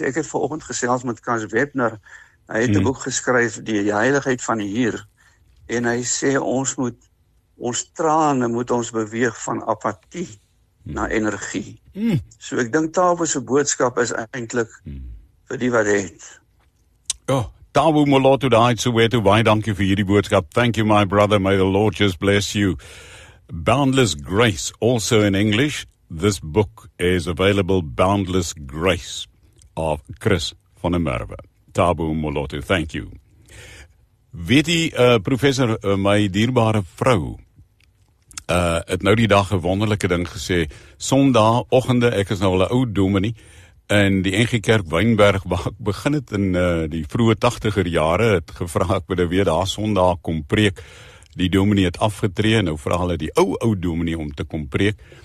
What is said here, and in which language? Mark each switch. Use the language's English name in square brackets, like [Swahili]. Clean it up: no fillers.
[Afrikaans] Ek het vanoggend gesels met Cas Webner, hy het 'n boek geskryf, Die Heiligheid van Hier, en hy sê ons trane moet ons beweeg van apatie na energie. So ek dink Tabo se boodskap is eintlik vir die wat het. Oh, Tabo Molotu, daai het Soweto, baie dankie vir hierdie boodskap. [English] Thank you, my brother. May the Lord just bless you. Boundless Grace, also in English, this book is available, Boundless Grace, of Chris van der Merwe. Tabo Molotu, thank you. [Afrikaans] Weet jy, professor, my dierbare vrou, het nou die dag 'n wonderlike ding gesê, sondagoggende, ek is nou al 'n ou dominee, en die NG Kerk Wynberg, waar ek begin het in die vroeë 80er jare, het gevra ek moet weer daar sondag kom preek, die dominee het afgetree, nou vra hulle die ou dominee om te kom preek,